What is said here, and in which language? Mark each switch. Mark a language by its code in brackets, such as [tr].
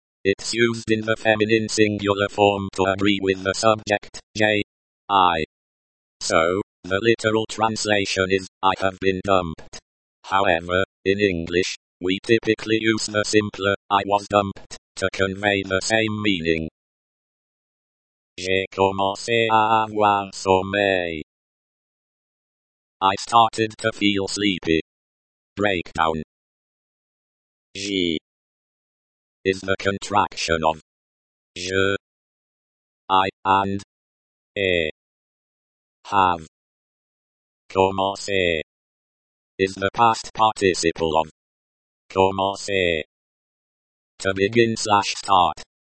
[en] It's used in the feminine singular form to agree with the subject, J, I. So, the literal translation is, I have been dumped. However, in English, we typically use the simpler, I was dumped, to convey the same meaning. [fr] J'ai commencé à avoir sommeil. [en] I started to feel sleepy. Breakdown. J is the contraction of je, I, and a. Have commencé is the past participle of commencé, to begin slash start.